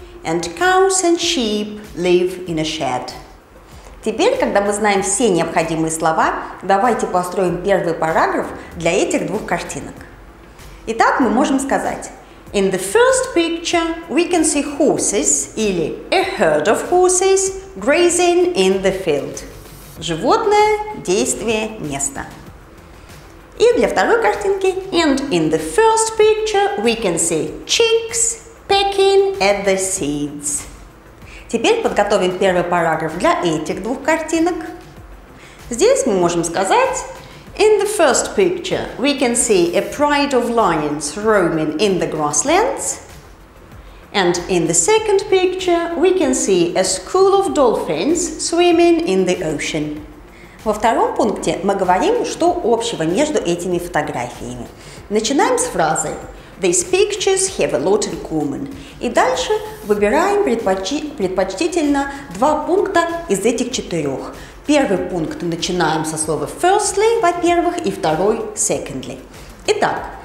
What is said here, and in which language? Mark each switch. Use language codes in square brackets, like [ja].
[en] And cows and sheep live in a shed. [ru] Теперь, когда мы знаем все необходимые слова, давайте построим первый параграф для этих двух картинок. Итак, мы можем сказать [en] in the first picture we can see horses [ru] или [en] a herd of horses grazing in the field. [ru] Животное, действие, место. И для второй картинки [en] and in the first picture we can see chicks pecking at the seeds. [ru] Теперь подготовим первый параграф для этих двух картинок. Здесь мы можем сказать [en] in the first picture we can see a pride of lions roaming in the grasslands. And in the second picture we can see a school of dolphins swimming in the ocean. [ru] Во втором пункте мы говорим, что общего между этими фотографиями. Начинаем с фразы [en] these pictures have a lot in common. [ru] И дальше выбираем предпочтительно два пункта из этих четырех. Первый пункт начинаем со слова firstly, во-первых, и второй secondly. Итак,